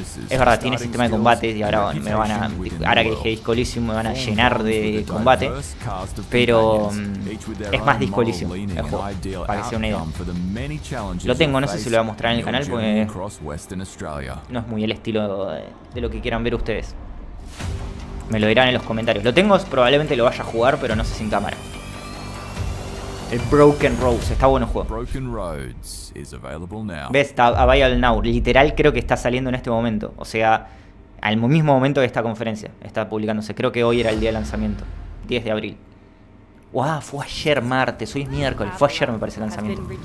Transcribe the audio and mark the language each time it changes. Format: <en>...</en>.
<es>Es verdad, tiene sistema de combate y ahora me van a, ahora que dije Disco Elysium, me van a llenar de combate, pero es más Disco Elysium el juego, para que sea una idea. Lo tengo, no sé si lo voy a mostrar en el canal porque no es muy el estilo de lo que quieran ver ustedes. Me lo dirán en los comentarios. Lo tengo, probablemente lo vaya a jugar, pero no sé sin cámara. El Broken Roads, está bueno el juego.</es> <en>Broken Roads is available now. Best Available Now,</en> <es>literal creo que está saliendo en este momento. O sea, al mismo momento que esta conferencia está publicándose. Creo que hoy era el día de lanzamiento, 10 de abril. ¡Wow! Fue ayer martes, hoy es miércoles. Fue ayer, me parece, el lanzamiento.</es>